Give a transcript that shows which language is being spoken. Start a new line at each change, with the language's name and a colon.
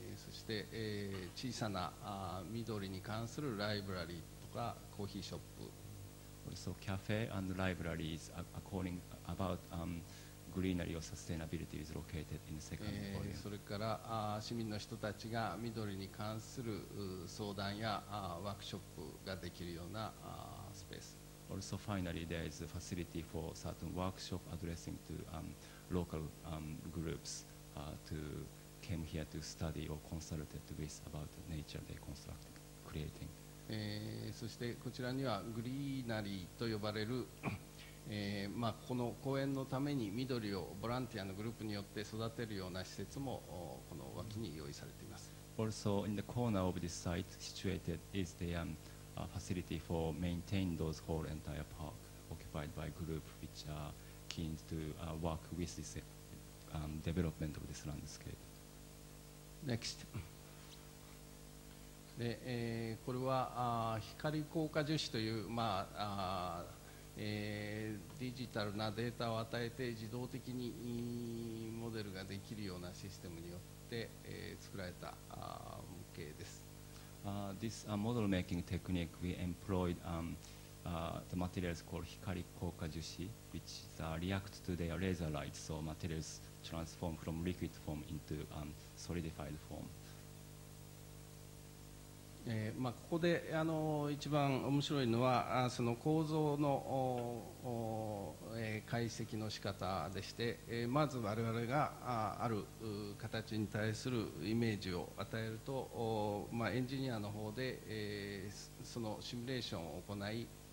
Japanese: そして、小さな緑に関するライブラリーとかコーヒーショップ。
English: Also, cafe and libraries according about greenery or sustainability is located in the second volume.
Japanese: それから市民の人たちが緑に関する相談やワークショップができるようなスペース。
English: Also, finally, there is a facility for certain workshop addressing to local groups to came here to study or consulted with about the nature they constructed, creating.
Japanese: そしてこちらにはグリーナリーと呼ばれるまあ、この公園のために緑をボランティアのグループによって育てるような施設もこの脇に用意されています。
English: Also in the corner of this site situated is the facility for maintain those whole entire park occupied by group which are keen to work with this development of this landscape. Next.
Japanese: で、これは光硬化樹脂というまあ、デジタルなデータを与えて自動的にモデルができるようなシステムによって、作られた模型です。
English: This model making technique we employed the materials called 光硬化樹脂 which is react to their laser light so materials transform from liquid form into solidified form.
Japanese: まあ、ここで一番面白いのはその構造の解析の仕方でして、まず我々がある形に対するイメージを与えると、まあ、エンジニアの方で、そのシミュレーションを行い、